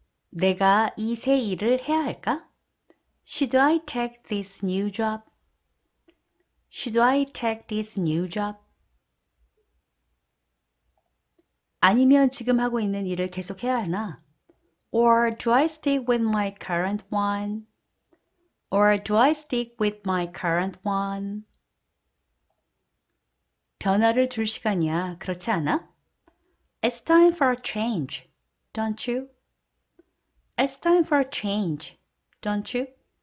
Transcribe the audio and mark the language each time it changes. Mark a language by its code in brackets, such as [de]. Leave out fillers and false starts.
[ko] 내가 이새 일을 해야 할까? [en] Should I take this new job? Should I take this new job? [ko] 아니면 지금 하고 있는 일을 계속해야 하나? [en] Or do I stick with my current one? Or do I stick with my current one? [ko] 변화를 줄 시간이야, 그렇지 않아? [en] It's time for a change, don't you? It's time for a change, don't you?